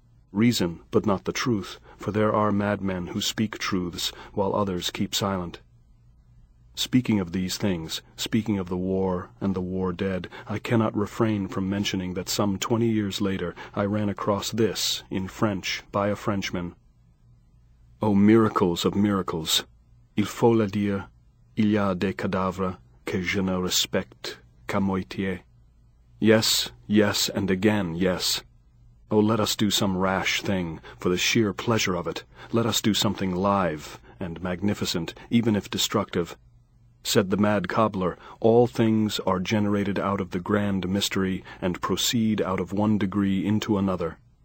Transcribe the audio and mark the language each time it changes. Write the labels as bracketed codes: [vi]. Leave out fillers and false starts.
[en] Reason, but not the truth, for there are madmen who speak truths while others keep silent. Speaking of these things, speaking of the war and the war dead, I cannot refrain from mentioning that some 20 years later I ran across this, in French, by a Frenchman. "O miracles of miracles! [fr] Il faut le dire, il y a des cadavres que je ne respecte qu'à moitié." [en] Yes, yes, and again yes. Oh, let us do some rash thing, for the sheer pleasure of it. Let us do something live and magnificent, even if destructive. Said the mad cobbler, "All things are generated out of the grand mystery and proceed out of one degree into another.